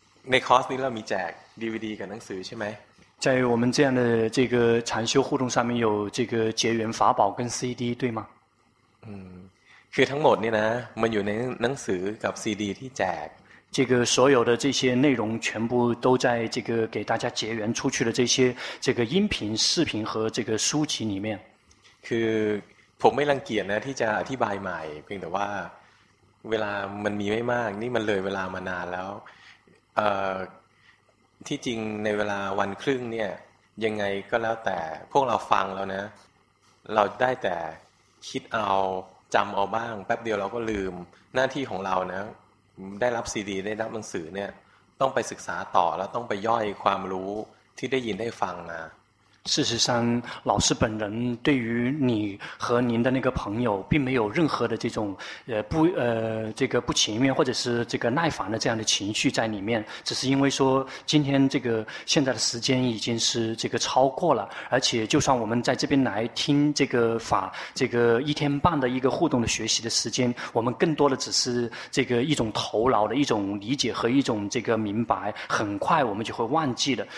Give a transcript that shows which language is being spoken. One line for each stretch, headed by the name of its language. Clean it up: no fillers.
Thai: ในคอร์สนี้เรามีแจก DVD กับหนังสือใช่ไหม
Chinese: 在我们这样的这个禅修互动上面有这个结缘法宝跟 CD 对吗
Thai: 嗯คือทั้งหมดเนี่ยนะมันอยู่ในหนังสือกับซีดีที่แจก
Chinese: 这个所有的这些内容全部都在这个给大家结缘出去的这些这个音频视频和这个书籍里面
Thai: คือผมไม่รังเกียจนะที่จะอธิบายใหม่เพียงแต่ว่าเวลามันมีไม่มากนี่มันเลยเวลามานานแล้วที่จริงในเวลาวันครึ่งเนี่ยยังไงก็แล้วแต่พวกเราฟังแล้วนะเราได้แต่คิดเอาจำเอาบ้างแป๊บเดียวเราก็ลืมหน้าที่ของเรานะได้รับซีดีได้รับหนังสือเนี่ยต้องไปศึกษาต่อแล้วต้องไปย่อยความรู้ที่ได้ยินได้ฟังมา
Chinese: 事实上老师本人对于你和您的那个朋友并没有任何的这种这个不情愿或者是这个耐烦的这样的情绪在里面只是因为说今天这个现在的时间已经是这个超过了而且就算我们在这边来听这个法这个一天半的一个互动的学习的时间我们更多的只是这个一种头脑的一种理解和一种这个明白很快我们就会忘记了